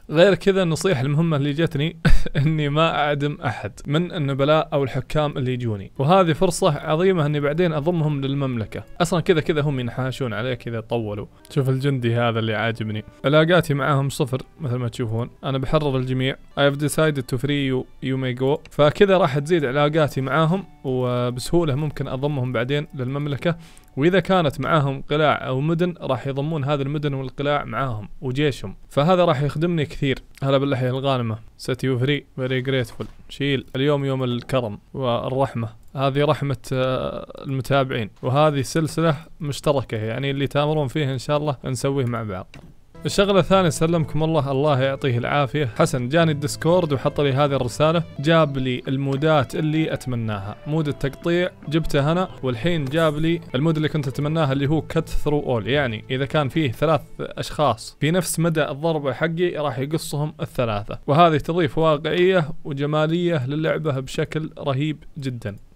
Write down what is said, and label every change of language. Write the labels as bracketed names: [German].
[Arabic] غير كذا النصيحة المهمة اللي جتني اني ما اعدم احد من النبلاء او الحكام اللي يجوني، وهذه فرصة عظيمة اني بعدين اضمهم للمملكة. اصلا كذا كذا هم ينحاشون عليك اذا طولوا. شوف الجندي هذا اللي عاجبني، علاقاتي معهم صفر مثل ما تشوفون، انا بحرر الجميع. [English] I have decided to free you, you may go. [Arabic] فكذا راح تزيد علاقاتي معاهم، وبسهولة ممكن اضمهم بعدين للمملكة. واذا كانت معاهم قلاع او مدن راح يضمون هذه المدن والقلاع معاهم وجيشهم، فهذا راح يخدمني كثير. هلا باللحية الغانمة، [English] set you free, very grateful. [Arabic] شيل اليوم يوم الكرم والرحمة، هذه رحمة المتابعين، وهذه سلسلة مشتركة، يعني اللي تامرون فيه ان شاء الله نسويه مع بعض. الشغلة الثانية سلمكم الله، الله يعطيه العافية، حسن جاني الديسكورد وحط لي هذه الرسالة، جاب لي المودات اللي أتمناها، مود التقطيع جبته هنا، والحين جاب لي المود اللي كنت أتمناها اللي هو cut through all، يعني إذا كان فيه 3 أشخاص في نفس مدى الضربة حقي راح يقصهم 3، وهذه تضيف واقعية وجمالية للعبة بشكل رهيب جدا.